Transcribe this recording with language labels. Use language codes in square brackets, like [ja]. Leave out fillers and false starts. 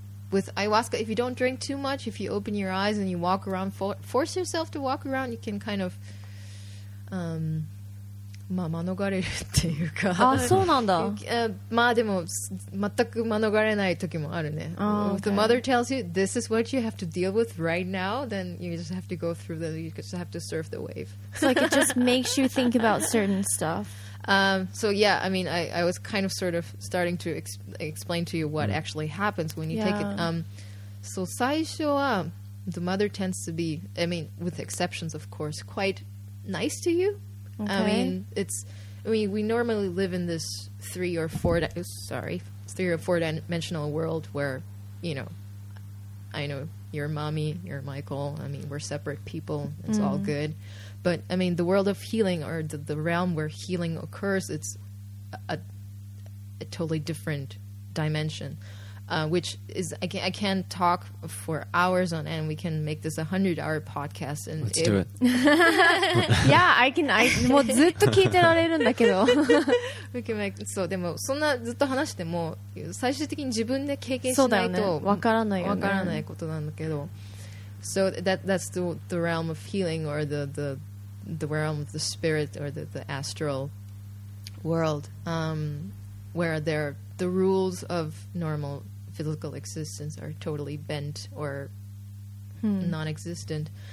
[en] With ayahuasca, if you don't drink too much, if you open your eyes and you walk around, force yourself to walk around, you can kind of... [ja] まあ、免れるっていうか。あ、そうなんだ。まあ、でも、全く免れない時もあるね。 [en] Oh, okay. If the mother tells you, this is what you have to deal with right now, then you just have to go through that. You just have to surf the wave. It's like it just makes you think about certain stuff. I was kind of sort of starting to explain to you what actually happens when you take it. So, [ja] 最初は、 [en] the mother tends to be, I mean, with exceptions, of course, quite nice to you. Okay. We normally live in this three or four dimensional world where, you know, I know you're mommy, you're Michael. I mean, we're separate people. It's mm-hmm. all good. But, I mean, the world of healing or the realm where healing occurs, it's a totally different dimension, which is, I can talk for hours on end. We can make this a 100-hour podcast. And Let's do it. yeah, I can. [ja] もうずっと聞いてられるんだけど。 [en] We can make, [ja] そう、でもそんなずっと話しても、最終的に自分で経験しないと、わからないよね。わからないことなんだけど。 [en] So that's the realm of healing or the realm of the spirit or the astral world, where they're... The rules of normal physical existence are totally bent or non-existent.